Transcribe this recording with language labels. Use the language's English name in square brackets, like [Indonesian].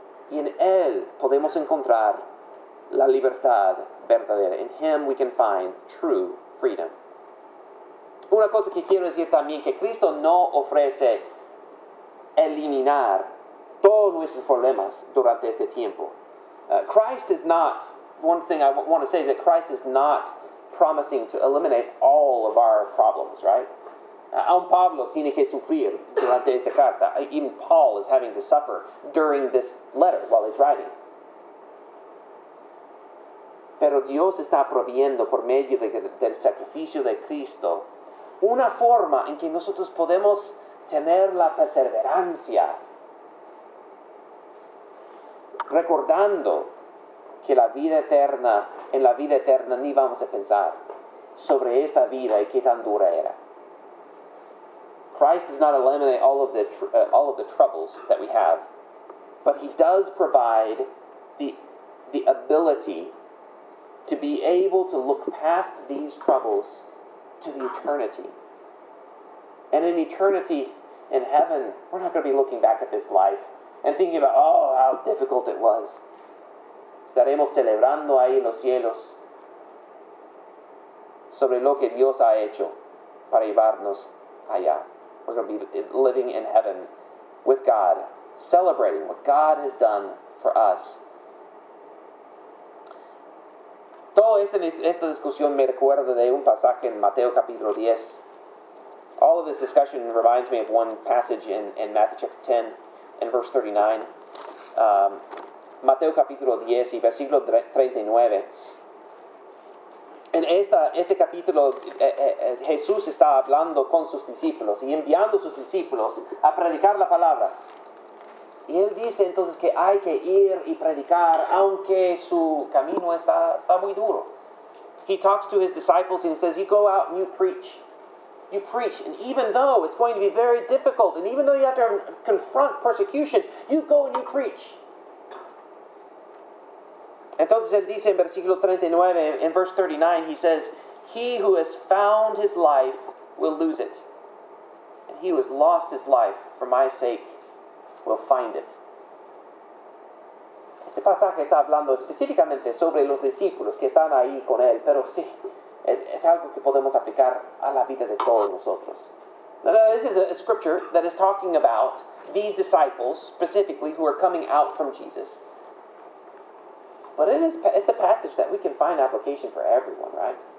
[Spanish] Y en Él podemos encontrar la libertad verdadera. [English] In Him we can find true freedom. [Spanish] Una cosa que quiero decir también, que Cristo no ofrece eliminar todos nuestros problemas durante este tiempo. [English] Christ is not, one thing I want to say is that Christ is not promising to eliminate all of our problems, right? [Spanish] Aun Pablo tiene que sufrir durante esta carta. [English] Even Paul is having to suffer during this letter while he's writing. [Spanish] Pero Dios está proveyendo por medio del sacrificio de Cristo una forma en que nosotros podemos tener la perseverancia, recordando que la vida eterna, en la vida eterna ni vamos a pensar sobre esa vida y qué tan dura era. [English] Christ does not eliminate all of the troubles that we have, but he does provide the ability to be able to look past these troubles to the eternity. And in eternity, in heaven, we're not going to be looking back at this life and thinking about, oh, how difficult it was. [Spanish] Estaremos celebrando ahí en los cielos sobre lo que Dios ha hecho para llevarnos allá. [English] We're going to be living in heaven with God, celebrating what God has done for us. [Spanish] Toda esta discusión me recuerda de un pasaje en Mateo capítulo 10. [English] All of this discussion reminds me of one passage in Matthew chapter 10 and verse 39. [Spanish] Mateo capítulo 10 y versículo 39. En este capítulo, Jesús está hablando con sus discípulos y enviando a sus discípulos a predicar la palabra. Y él dice entonces que hay que ir y predicar aunque su camino está muy duro. [English] He talks to his disciples and he says, you go out and you preach. You preach, and even though it's going to be very difficult, and even though you have to confront persecution, you go and you preach. [Spanish] Entonces él dice en versículo 39, en [English] verse 39, he says, he who has found his life will lose it. And he who has lost his life for my sake will find it. [Spanish] Este pasaje está hablando específicamente sobre los discípulos que están ahí con él, pero sí. Es algo que podemos aplicar a la vida de todos nosotros. [English] Now, this is a scripture that is talking about these disciples, specifically, who are coming out from Jesus. But it's a passage that we can find application for everyone, right?